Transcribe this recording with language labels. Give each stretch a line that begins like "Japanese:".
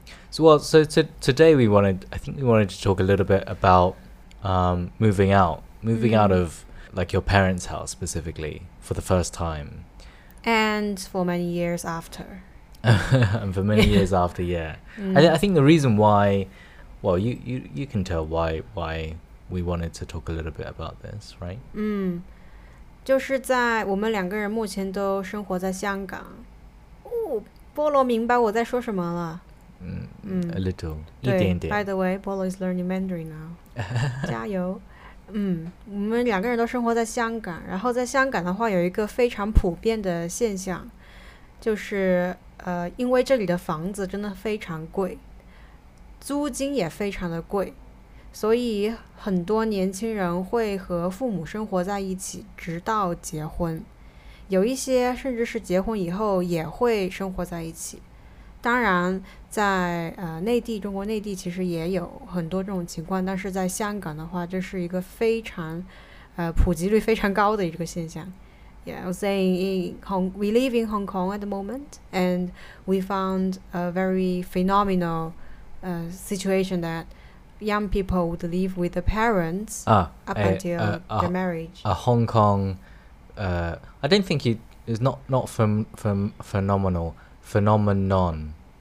English: So today we wanted to talk a little bit about moving out of like your parents' house specifically for the first time. And for many years after. And for many years after, yeah. Mm. I think the reason why, well, you can tell why we wanted to talk a little bit about this, right? Mm.
Chinese: 就是在我们两个人目前都生活在香港。哦，菠萝明白我在说什么了。
English: A little,
Chinese: 一点点。
English: By the way, Polo is learning Mandarin now.
Chinese: 加油。我们两个人都生活在香港，然后在香港的话有一个非常普遍的现象，就是因为这里的房子真的非常贵，租金也非常的贵，所以很多年轻人会和父母生活在一起，直到结婚，有一些甚至是结婚以后也会生活在一起。当然在内地，中国内地其实也有很多这种情况，但是在香港的话这是一个非常普及率非常高的一个现象。
English: Yeah, I was saying we live in Hong Kong at the moment and we found a very phenomenal situation that young people would live with the parents up until their marriage. A Hong Kong I don't think it's not from phenomenal phenomenon.